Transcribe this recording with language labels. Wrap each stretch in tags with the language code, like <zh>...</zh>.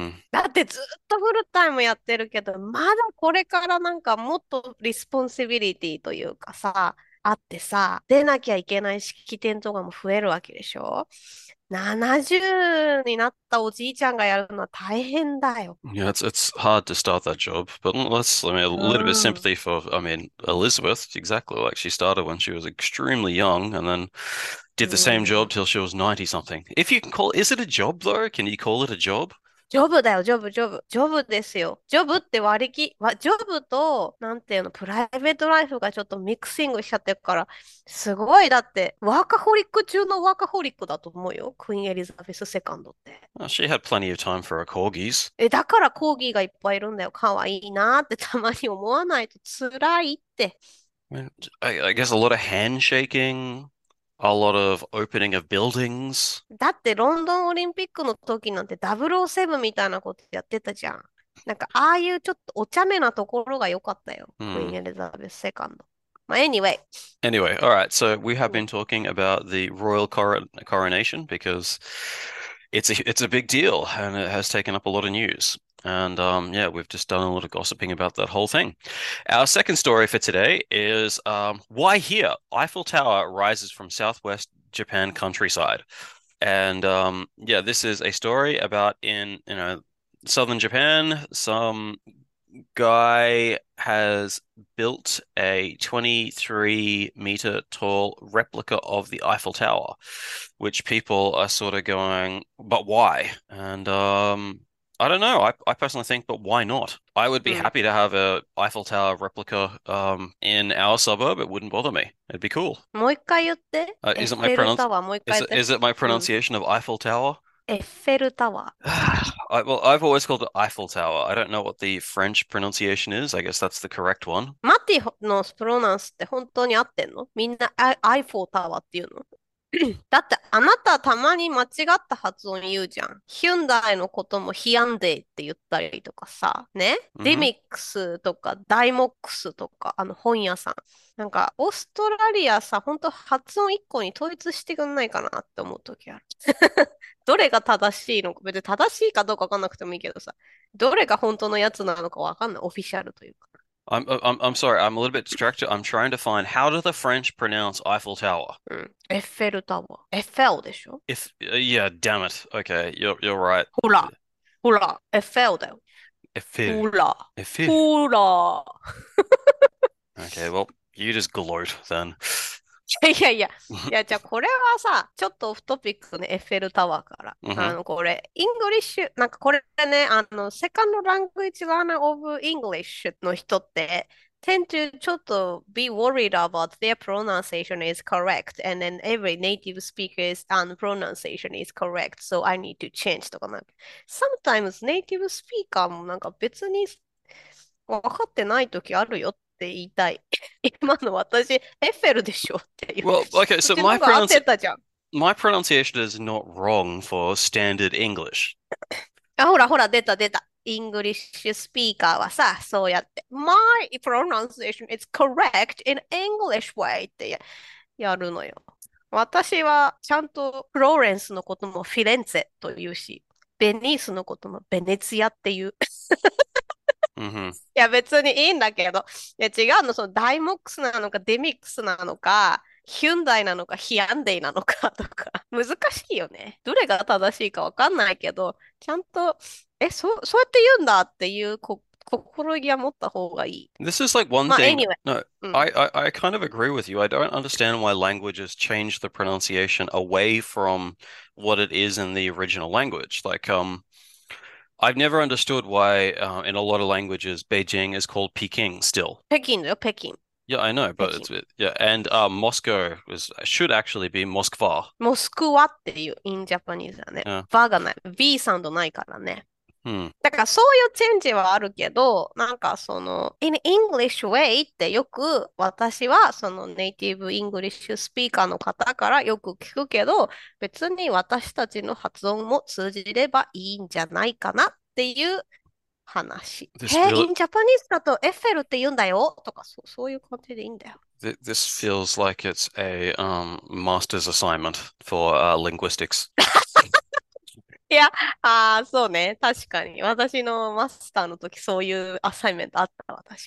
<ja>だってずっとフルタイムやってるけど、まだこれからなんかもっとリスポンシビリティというかさ、あってさ、出なきゃいけない式典とかも増えるわけでしょ？ 70 になったおじいちゃんがやるのは大変だよ。</ja> <en>Yeah, it's hard to start that job, but let's I mean a little bit of sympathy for Elizabeth, exactly. She started when she was extremely young and then did the same job till she was 90 something. If you can call, is it a job though? Can you call it a job?</en> <ja>ジョブだよ、ジョブ、ジョブ。ジョブですよ。ジョブって割り切、ジョブと、なんていうの、プライベートライフがちょっとミックスイングしちゃってるから、すごい、だって、ワーカホリック中のワーカホリックだと思うよ。クイーン・エリザベス・セカンドって。</ja> <en>Well, she had plenty of time for her corgis.</en> <ja>え、だからコーギーがいっぱいいるんだよ。かわいいなーってたまに思わないとつらいって。</ja> <en>I guess a lot of handshaking, a lot of opening of buildings.</en> <ja>だってロンドンオリンピックの時なんて007みたいなことやってたじゃん。なんかああいうちょっとお茶目なところが良かったよ。クイーン・エリザベス・セカンド。まあ、</ja> <en>anyway。 Anyway, all right, so we have been talking about the royal coronation because it's a big deal and it has taken up a lot of news. And yeah, we've just done a lot of gossiping about that whole thing. Our second story for today is why here? Eiffel Tower rises from southwest Japan countryside. And yeah, this is a story about in southern Japan, some guy has built a 23-meter tall replica of the Eiffel Tower, which people are sort of going, but why? And I don't know. I personally think, but why not? I would be happy to have a Eiffel Tower replica in our suburb. It wouldn't bother me. It'd be cool.</en> <ja>もう一回言って。エッ</ja> <en>Isn't</en> <ja>フ</ja> <en>my</en> <ja>ェル</ja> <en>pronoun</en> <ja>タワー、もう一回言って。</ja> <en>is it my pronunciation of Eiffel Tower?</en> <ja>エッフェルタワー。</ja> <en>I've always called it Eiffel Tower. I don't know what the French pronunciation is. I guess that's the correct one.</en> <ja>マティのプロナンスって本当に合ってんの？みんなアイフォータワーっていうの？だってあなたたまに間違った発音言うじゃん。ヒュンダイのこともヒアンデイって言ったりとかさ、ね。デミックスとかダイモックスとか、本屋さん。なんか、オーストラリアさ、本当発音一個に統一してくんないかなって思う時ある。どれが正しいのか、別に正しいかどうかわかんなくてもいいけどさ、どれが本当のやつなのかわかんない。オフィシャルというか。</ja> <en>I'm sorry, I'm a little bit distracted. I'm trying to find how do the French pronounce Eiffel Tower?</en> <ja>エッフェルタワー。エッフェルでしょ？</ja> <en>If yeah, damn it. Okay, you're right.</en> <ja>ほら、ほら、エッフェルだよ。</ja> <en>Eiffel.</en> <ja>ほら、</ja> <en>Eiffel.</en> <ja>ほら。</ja> <en>Okay, well, you just gloat then.</en> <ja>いや、じゃあこれはさ、ちょっとオフトピックスね、エッフェルタワーから。これ、イングリッシュ、なんかこれね、セカンドラングイッチラーナーオブイングリッシュの人って、</ja> <en>tend to</en> <ja>ちょっと</ja> <en>be worried about their pronunciation is correct and then every native speaker's pronunciation is correct so I need to change</en> <ja>とかなんか</ja> <en>sometimes native speaker</en> <ja>もなんか別に分かってない時あるよって言いたい 今の私エッフェルでしょっていう</ja> <en>Well, okay,</en> <ja>そっ</ja> <en>so</en> <ja>ちの方が合ってたじゃ</ja> <en>my pronunciation is not wrong for standard English.</en> <ja>ん あほらほら出た出たイングリッシュスピーカーはさ、そうやって、</ja> <en>My pronunciation is correct in English way</en> <ja>ってやるのよ。私はちゃんとフローレンスのこともフィレンツェというし、ベニースのこともベネツィアっていう。いや、別にいいんだけど、いや違うの、そのダイモックスなのかデミックスなのか、ヒュンダイなのかヒアンデイなのかとか、難しいよね。どれが正しいかわかんないけど、ちゃんと、そうやって言うんだっていう心意は持った方がいい。</ja> <en>This is like one</en> <ja>まあ、</ja> <en>thing. anyway。 No, I kind of agree with you. I don't understand why languages change the pronunciation away from what it is in the original language. I've never understood why in a lot of languages Beijing is called Peking still. Peking, yo, Peking. Yeah, I know, but Peking. it's yeah, and Moscow is should actually be Moskva.</en> <ja>モスクワっていうインジャパニーズだね。</ja> <en>Yeah.</en> <ja>バがない。 V サウンドないからね。だからそういうチェンジはあるけど、なんかその、</ja> <en>in English way</en> <ja>ってよく私はそのネイティブイングリッシュスピーカーの方からよく聞くけど、別に私たちの発音も通じればいいんじゃないかなっていう話。</ja> <en>This</en> <ja>へえ、</ja> <en>really, in Japanese</en> <ja>だとエッフェルって言うんだよとか、そういう感じでいいんだよ。</ja> <en>th this feels like it's a master's assignment for linguistics.</en> <ja>いや、ああ、そうね。確かに。私のマスターの時、そういうアサイメントあったわ、確</ja>